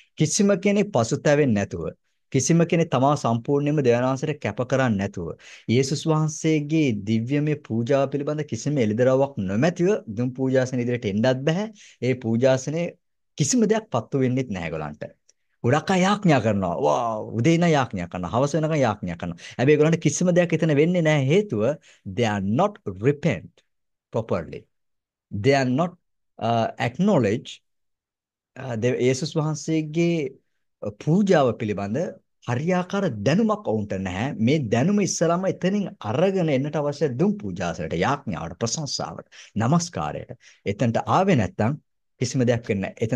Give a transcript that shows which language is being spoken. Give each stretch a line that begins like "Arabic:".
Sinhala: කිසිම කෙනෙක් පසුතැවෙන්නේ නැතුව, කිසිම කෙනෙක් තමා සම්පූර්ණයෙන්ම දෙවියන්වහන්සේට කැප කරන්නේ නැතුව, යේසුස් වහන්සේගේ දිව්‍යමය පූජාව පිළිබඳ කිසිම එළිදරවක් නොමැතිව දුම් පූජාසනේ ඉදිරියට එන්නත් බෑ. ඒ පූජාසනේ කිසිම දෙයක් පත්තු වෙන්නෙත් නැහැ ගොලන්ට. ගොඩක් අය යාඥා කරනවා. වා උදේ ඉඳන් යාඥා කරනවා. හවස වෙනකන් යාඥා කරනවා. හැබැයි ගොලන්ට කිසිම දෙයක් එතන වෙන්නේ නැහැ. හේතුව
English: they are not repent properly. They are not acknowledge
Sinhala: යේසුස් වහන්සේගේ පූජාව පිළිබඳ හරියාකාර දැනුමක් ඔවුන්ට නැහැ. මේ දැනුම ඉස්සලම එතනින් අරගෙන එන්නට අවශ්‍ය දුම් පූජාසලට, යාඥාවට, ප්‍රශංසාවට, නමස්කාරයට එතනට ආවේ නැත්නම් කිසිම දෙයක් වෙන්නේ නැහැ.